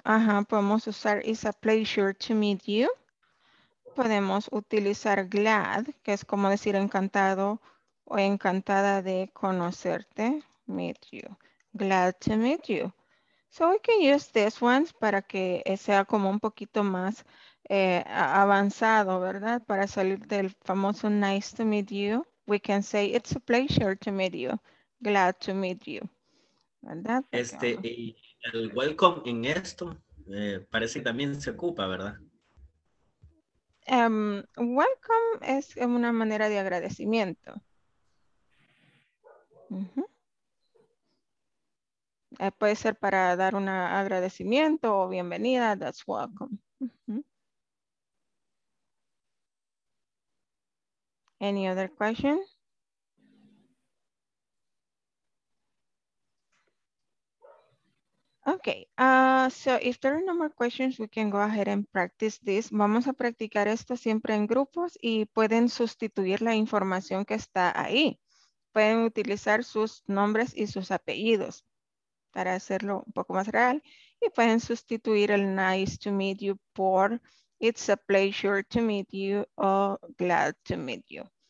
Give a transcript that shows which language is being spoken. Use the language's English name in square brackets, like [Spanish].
[Spanish] Ajá, podemos usar [English] it's a pleasure to meet you. [Spanish] Podemos utilizar glad, que es como decir encantado o encantada de conocerte. [English] Meet you. Glad to meet you. So we can use this one [Spanish] para que sea como un poquito más avanzado, ¿verdad? Para salir del famoso [English] nice to meet you. We can say it's a pleasure to meet you. Glad to meet you. [Spanish] ¿Verdad? Este, el welcome en esto parece que también se ocupa, ¿verdad? Welcome es una manera de agradecimiento. Puede ser para dar un agradecimiento o bienvenida. [English] That's welcome. Any other question? Okay, so if there are no more questions, we can go ahead and practice this. [Spanish] Vamos a practicar esto siempre en grupos y pueden sustituir la información que está ahí. Pueden utilizar sus nombres y sus apellidos para hacerlo un poco más real. Y pueden sustituir el [English] nice to meet you [Spanish] por [English] it's a pleasure to meet you [Spanish] o [English] glad to meet you.